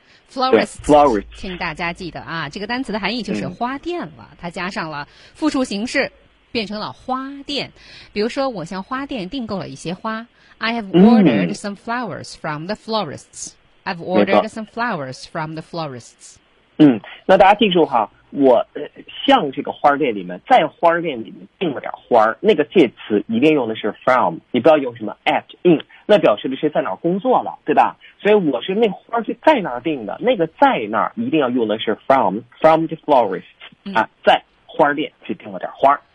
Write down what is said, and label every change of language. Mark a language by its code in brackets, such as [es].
[zh] florist 请大家记得啊，这个单词的含义就是花店了、嗯、它加上了复数形式变成了花店。 [en] 比如说我向花店订购了一些花， I have ordered、嗯、some flowers from the florists. I've ordered some flowers from the florists. [zh] 嗯，那大家记住哈，我向这个花店里面，在花店里面订了点花，那个介词一定用的是 from， 你不要用什么 at， in， 那表示的是在哪儿工作了，对吧？所以我是那花是在那儿订的，那个在那儿一定要用的是 from the florist、嗯、啊，在花店去订了点花。